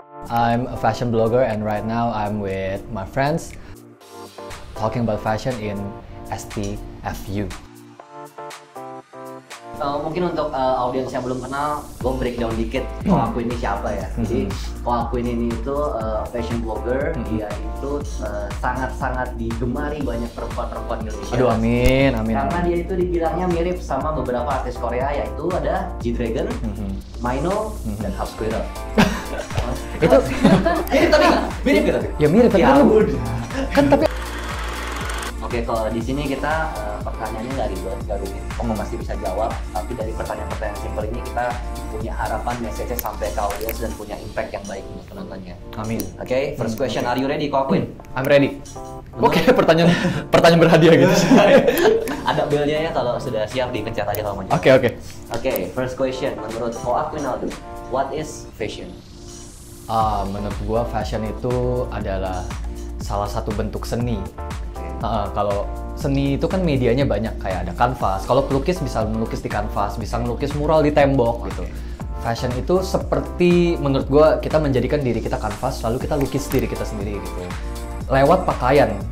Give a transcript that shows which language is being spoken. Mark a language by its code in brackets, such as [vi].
[en] I'm a fashion blogger and right now I'm with my friends talking about fashion in STFU. [id] Mungkin untuk audiens yang belum kenal, gue breakdown dikit kalau aku ini siapa ya. Jadi kalau aku ini itu fashion blogger, dia itu sangat-sangat digemari banyak perempuan-perempuan Indonesia. Aduh amin, amin. Karena dia itu dibilangnya mirip sama beberapa artis Korea, yaitu ada G-Dragon, Mino, dan Hub Squirrel. Itu mirip tapi nggak? Mirip nggak tapi? Ya mirip, ya, tapi kan tapi... Oke, kalau di sini kita pertanyaannya nggak dibuat nggak rumit. Kamu masih bisa jawab, tapi dari pertanyaan-pertanyaan simpel ini kita punya harapan message-nya sampai ke audience dan punya impact yang baik untuk penontonnya. Amin. [en] Oke, okay, first question, are you ready, QUIN? I'm ready. [id] Oke, okay, pertanyaan berhadiah gitu. Ada bill-nya ya kalau sudah siap dipencet aja kalau mau. Oke. [en] Oke, first question, menurut QUIN, what is fashion? [id] Menurut gua fashion itu adalah salah satu bentuk seni. Kalau seni itu kan medianya banyak, kayak ada kanvas. Kalau pelukis bisa melukis di kanvas, bisa melukis mural di tembok gitu. Fashion itu seperti menurut gue kita menjadikan diri kita kanvas, lalu kita lukis diri kita sendiri gitu. Lewat pakaian.